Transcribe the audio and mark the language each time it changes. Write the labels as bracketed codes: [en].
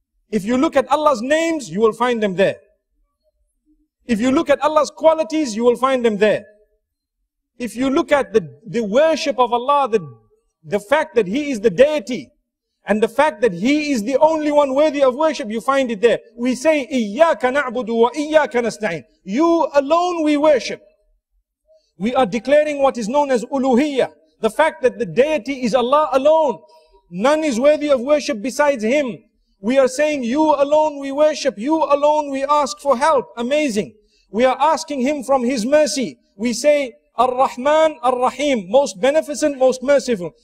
[en] If you look at Allah's names, you will find them there. If you look at Allah's qualities, you will find them there. If you look at the worship of Allah, the fact that He is the deity, and the fact that He is the only one worthy of worship, you find it there. We say, [ar] إِيَّاكَ نَعْبُدُ وَإِيَّاكَ نَسْتَعِينَ. [en] You alone we worship. We are declaring what is known as uluhiyya. The fact that the deity is Allah alone. None is worthy of worship besides Him. We are saying, you alone we worship, you alone we ask for help. Amazing. We are asking Him from His mercy. We say, Ar-Rahman, Ar-Rahim, most beneficent, most merciful.